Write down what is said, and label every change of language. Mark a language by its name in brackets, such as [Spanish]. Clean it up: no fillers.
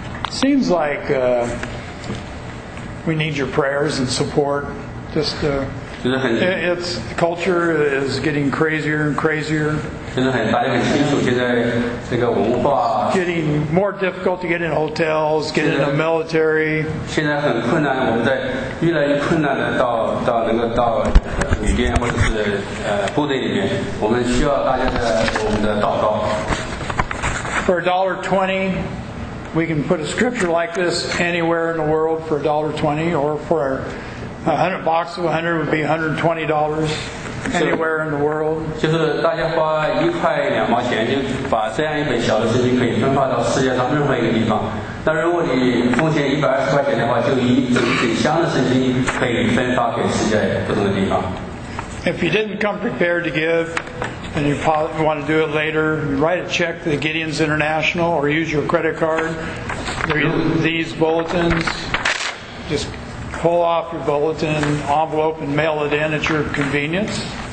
[English] Seems like we need your prayers and support. Just it's culture is getting crazier and crazier. [Chinese] 现在很大家很清楚，现在这个文化 [English] getting more difficult to get in hotels, get in the military. [Chinese] 现在很困难，我们在越来越困难的到能够到旅店或者是部队里面，我们需要大家的我们的祷告。 [English] For $1.20, we can put a scripture like this anywhere in the world for $1.20, or for a hundred box of 100 would be $120 anywhere in the world. [Chinese] 就是大家花一块两毛钱，就把这样一本小的圣经可以分发到世界上任何一个地方。那如果你奉献120块钱的话，就一整整箱的圣经可以分发给世界不同的地方。 [English] If you didn't come prepared to give. And you want to do it later, write a check to the Gideon's International or use your credit card. These bulletins, just pull off your bulletin envelope and mail it in at your convenience.